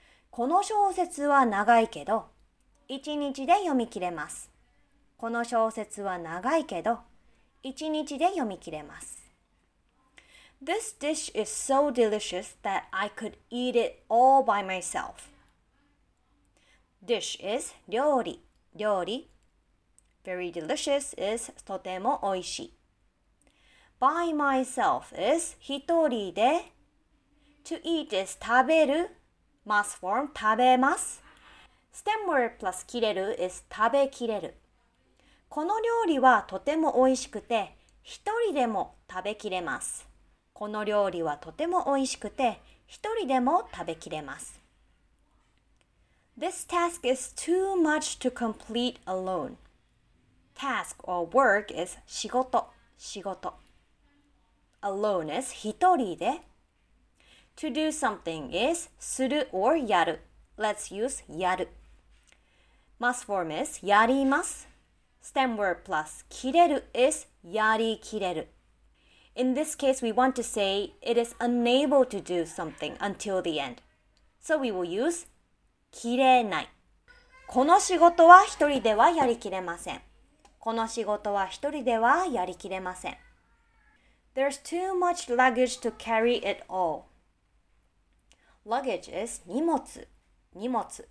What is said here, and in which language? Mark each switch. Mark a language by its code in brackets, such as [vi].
[ja] この小説は長いけど、一日で読み切れます。この小説は長いけど、一日で読み切れます。 [en] This dish is so delicious that I could eat it all by myself. Dish is [ja] 料理、料理。 [en] Very delicious is [ja] とてもおいしい。 [en] By myself is [ja] 一人で。 [en] To eat is 食べる。Must form [ja] 食べます。 [en] Stem word plus 切れる is 食べきれる。 [ja] この料理はとてもおいしくて、一人でも食べきれます。この料理はとてもおいしくて、一人でも食べきれます。 [en] This task is too much to complete alone. Task or work is [ja] 仕事、仕事。 [en] Alone is [ja] 一人で。 [en] To do something is する or やる。 Let's use やる。Must form is [ja] やります。 [en] Stem word plus 切れる is やり切れる。 In this case, we want to say it is unable to do something until the end. So we will use [ja] 切れない。この仕事は一人ではやり切れません。この仕事は一人ではやり切れません。 [en] There's too much luggage to carry it all. Luggage is [ja] 荷物、荷物。